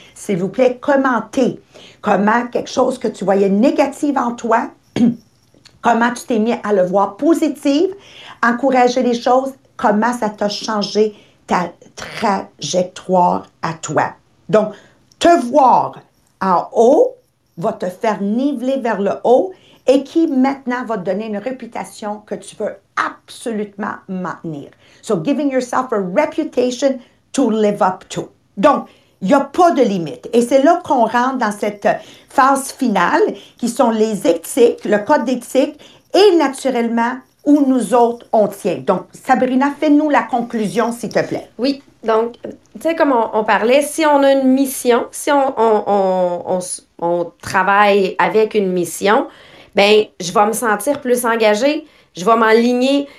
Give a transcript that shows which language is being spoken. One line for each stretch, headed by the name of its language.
French: S'il vous plaît, commentez comment quelque chose que tu voyais négatif en toi, comment tu t'es mis à le voir positif, encourager les choses, comment ça t'a changé ta trajectoire à toi. Donc, te voir en haut va te faire niveler vers le haut et qui maintenant va te donner une réputation que tu veux absolument maintenir.
English: So, giving yourself a reputation to live up to.
French: Donc, il n'y a pas de limite. Et c'est là qu'on rentre dans cette phase finale, qui sont les éthiques, le code d'éthique, et naturellement, où nous autres, on tient. Donc, Sabrina, fais-nous la conclusion, s'il te plaît. Oui. Donc, tu sais, comme on parlait, si on a une mission, si on travaille avec une mission, ben je vais me sentir plus engagée, je vais m'aligner.